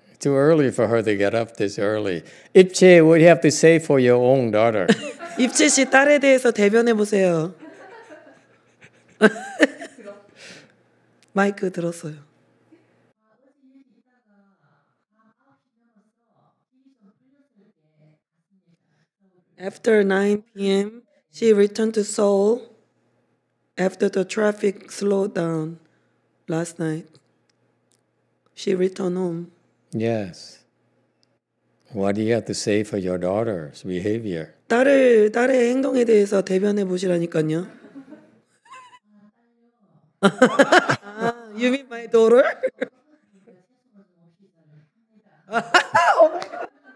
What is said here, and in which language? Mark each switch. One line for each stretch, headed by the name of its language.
English: Too early for her to get up this early. 입체, what do you have to say for your own daughter?
Korean: 입체 씨 딸에 대해서 대변해 보세요. 마이크 들었어요.
English: After 9 p.m., she returned to Seoul after the traffic slowed down last night. She returned home. Yes. What do you have to say for your daughter's behavior?
Korean: 딸의 행동에 대해서 대변해 보시라니까요.
English: You mean my daughter? Oh my god.